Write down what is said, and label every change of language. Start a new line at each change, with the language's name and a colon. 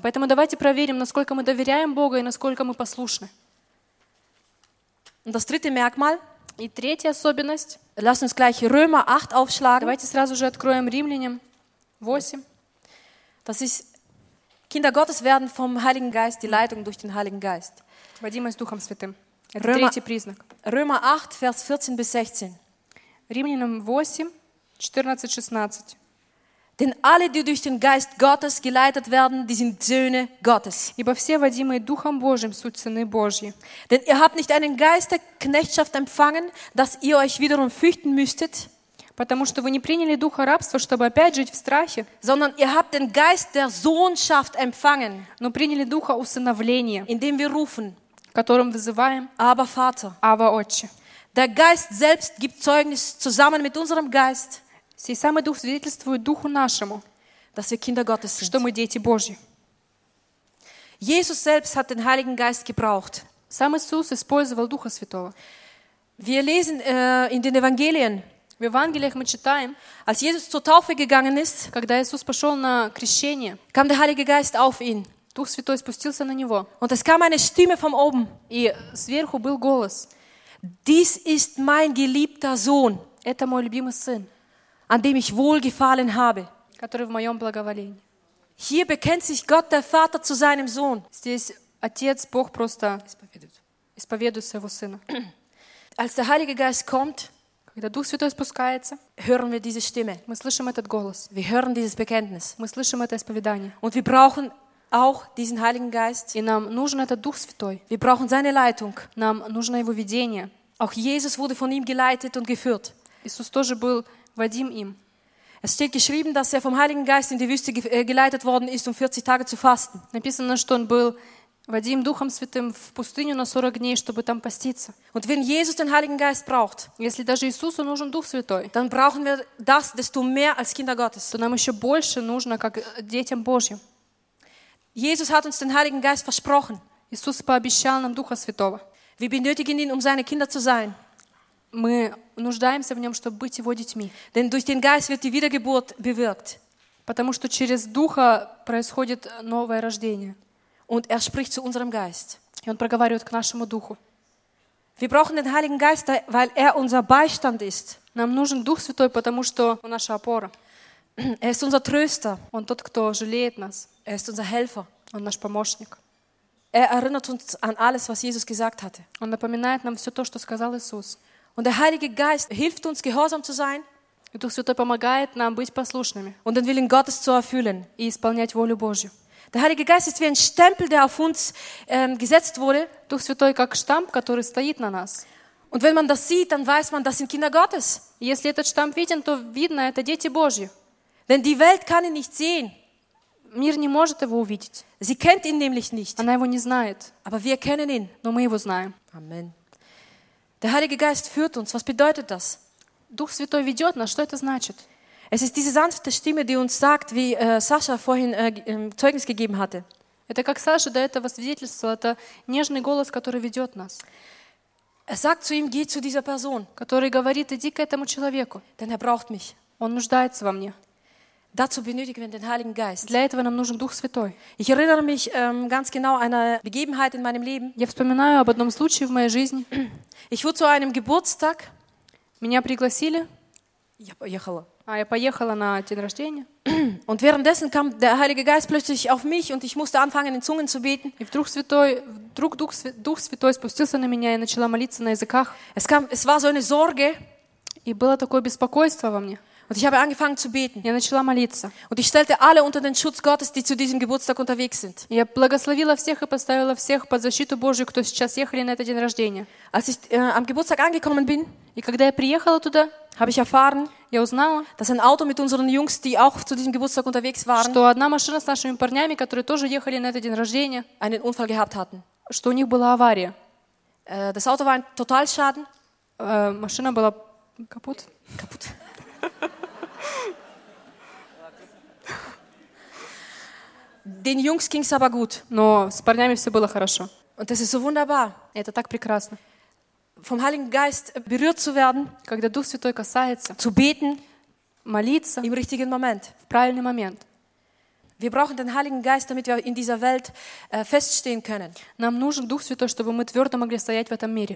Russian: Поэтому давайте проверим, насколько мы доверяем Богу и насколько мы послушны.
German: Und das dritte Merkmal.
Russian: И третья особенность.
German: Lasst uns gleich Römer 8 aufschlagen.
Russian: Давайте сразу же откроем Римлянам 8.
German: Das ist Kinder Gottes werden vom Heiligen Geist die Leitung durch den Heiligen Geist.
Russian: Водимы Духом Святым. Это третий признак.
German: Römer 8, Vers 14 bis 16.
Russian: Римлянам 8, 14-16.
German: Denn alle, die durch den Geist Gottes geleitet werden, die sind Söhne Gottes.
Russian: Ибо все водимые Духом Божьим суть сыны Божьи.
German: Denn ihr habt nicht einen Geist der Knechtschaft empfangen, dass ihr euch wiederum fürchten müsstet.
Russian: Потому что вы не приняли духа рабства, чтобы опять жить в страхе,
German: sondern ihr habt den Geist der Sohnschaft empfangen,
Russian: но приняли духа усыновления,
German: indem wir rufen,
Russian: которым вызываем,
German: aber Vater,
Russian: aber Отче.
German: Der Geist selbst gibt Zeugnis zusammen mit unserem Geist,
Russian: сей самый дух свидетельствует духу нашему,
German: dass wir Kinder Gottes sind,
Russian: что мы дети Божьи.
German: Jesus selbst hat den Heiligen Geist gebraucht,
Russian: сам Иисус использовал Духа Святого.
German: Wir lesen in den Evangelien.
Russian: В Евангелиях мы читаем,
German: als Jesus zur Taufe gegangen ist,
Russian: когда Иисус пошел на крещение,
German: kam der Heilige Geist auf ihn,
Russian: Дух Святой спустился на него,
German: und es kam eine Stimme von oben,
Russian: и сверху был голос,
German: dies ist mein geliebter Sohn,
Russian: это мой любимый сын,
German: an dem ich wohlgefallen habe,
Russian: который в моем благоволении.
German: Hier bekennt sich Gott der Vater zu seinem Sohn.
Russian: Здесь отец Бог просто исповедует своего сына.
German: Als der Heilige Geist kommt,
Russian: когда Дух Святой спускается,
German: hören wir diese Stimme.
Russian: Мы слышим этот голос.
German: Wir hören dieses Bekenntnis.
Russian: Мы слышим это исповедание.
German: Und wir brauchen auch diesen Heiligen Geist.
Russian: И нам нужен этот Дух Святой.
German: Wir brauchen seine Leitung.
Russian: Нам нужно его ведение.
German: Auch Jesus wurde von ihm geleitet und geführt.
Russian: Иисус тоже был водим им.
German: Es steht geschrieben, dass er vom Heiligen Geist in die Wüste geleitet worden ist, um 40 Tage zu fasten.
Russian: Написано, что он был водим Духом Святым в пустыню на 40 дней, чтобы там поститься.
German: Und wenn Jesus den Heiligen Geist braucht,
Russian: если даже Иисусу нужен Дух Святой,
German: dann brauchen wir das desto mehr als Kinder Gottes.
Russian: То нам еще больше нужно, как детям Божьим.
German: Jesus hat uns den Heiligen Geist versprochen.
Russian: Иисус пообещал нам Духа Святого.
German: Wir benötigen ihn, um seine Kinder zu sein.
Russian: Мы нуждаемся в нем, чтобы быть его детьми.
German: Denn durch den Geist wird die Wiedergeburt bewirkt.
Russian: Потому что через Духа происходит новое рождение.
German: Und er spricht zu unserem Geist.
Russian: И он проговаривает к нашему духу.
German: Wir brauchen den Heiligen Geist, weil er unser Beistand ist.
Russian: Нам нужен Дух Святой, потому что он наша опора.
German: Er ist unser Tröster.
Russian: Он тот, кто жалеет нас.
German: Er ist unser Helfer.
Russian: Он наш помощник.
German: Er erinnert uns an alles, was Jesus gesagt hatte.
Russian: Он напоминает нам все то, что сказал Иисус.
German: Und der Heilige Geist hilft uns, gehorsam zu sein.
Russian: И Дух Святой помогает нам быть послушными.
German: Und den Willen Gottes zu erfüllen.
Russian: И исполнять волю Божью.
German: Der Heilige Geist ist wie ein Stempel, der auf uns gesetzt wurde.
Russian: Дух Святой как штамп, который стоит на нас.
German: Und wenn man das sieht, dann weiß man, das sind Kinder Gottes.
Russian: Если этот штамп виден, то видно, это дети Божьи.
German: Denn die Welt kann ihn nicht sehen.
Russian: Мир не может его увидеть.
German: Sie kennt ihn nämlich nicht.
Russian: Она его не знает.
German: Aber wir kennen ihn.
Russian: Но мы его знаем.
German: Amen. Der Heilige Geist führt uns. Was bedeutet das?
Russian: Дух Святой ведет нас. Что это значит?
German: Es ist diese sanfte Stimme, die uns sagt, wie Sascha vorhin Zeugnis gegeben hatte.
Russian: Это как Саша до этого свидетельствовал, это нежный голос, который ведет нас.
German: Er sagt zu ihm, geh zu dieser Person.
Russian: Который говорит, иди к этому человеку.
German: Denn er braucht mich.
Russian: Он нуждается во мне.
German: Dazu benötigen wir den Heiligen Geist.
Russian: Для этого нам нужен Дух Святой.
German: Ich erinnere mich ganz genau an eine Begebenheit in meinem Leben.
Russian: Я вспоминаю об одном случае в моей жизни.
German: Ich wurde zu einem Geburtstag.
Russian: Меня пригласили. Я поехала. А я поехала на день рождения.
German: Und währenddessen kam der Heilige Geist plötzlich auf mich und ich musste anfangen in Zungen zu beten.
Russian: И вдруг святой, вдруг дух святой спустился на меня и начала молиться на языках.
German: Es kam, es war so eine Sorge.
Russian: И было такое беспокойство во мне.
German: Und ich habe angefangen zu beten.
Russian: Я начала молиться.
German: Und ich stellte alle unter den Schutz Gottes, die zu diesem Geburtstag unterwegs sind.
Russian: Я благословила всех и поставила всех под защиту Божью, кто сейчас ехали на этот день рождения.
German: Als ich am Geburtstag angekommen bin,
Russian: и когда я приехала туда,
German: habe ich erfahren,
Russian: я узнала,
German: dass ein Auto mit unseren Jungs, die auch zu diesem Geburtstag unterwegs waren,
Russian: что одна машина с нашими парнями, которые тоже ехали на этот день рождения,
German: einen Unfall gehabt hatten.
Russian: Что у них была авария.
German: Das Auto war ein Totalschaden.
Russian: Машина была капут. Капут.
German: Den Jungs ging's aber gut.
Russian: Но с парнями все было хорошо.
German: Und das ist so wunderbar.
Russian: Это так прекрасно.
German: Vom Heiligen Geist berührt zu werden,
Russian: когда Дух Святой касается,
German: zu beten,
Russian: молиться,
German: im richtigen Moment,
Russian: в правильный момент.
German: Wir brauchen den Heiligen Geist, damit wir in dieser Welt feststehen können.
Russian: Нам нужен Дух Святой, чтобы мы твердо могли стоять в этом мире.